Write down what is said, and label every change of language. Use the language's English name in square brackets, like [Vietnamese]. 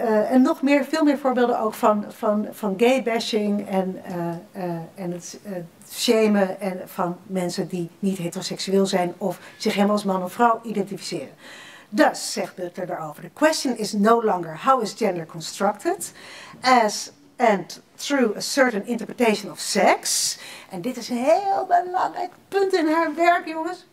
[Dutch] En nog meer, veel meer voorbeelden ook van gay bashing en het shamen en van mensen die niet heteroseksueel zijn of zich helemaal als man of vrouw identificeren. Dus, zegt Butler daarover, [English] the question is no longer how is gender constructed as and through a certain interpretation of sex. [Dutch] En dit is een heel belangrijk punt in haar werk, jongens.